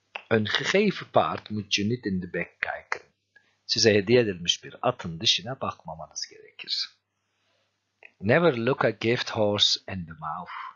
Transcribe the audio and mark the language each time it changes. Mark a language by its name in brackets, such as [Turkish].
[Dutch] Een gegeven paard moet je niet in de bek kijken. [Turkish] Size hediye edilmiş bir atın dişine bakmamanız gerekir. [English] Never look a gift horse in the mouth.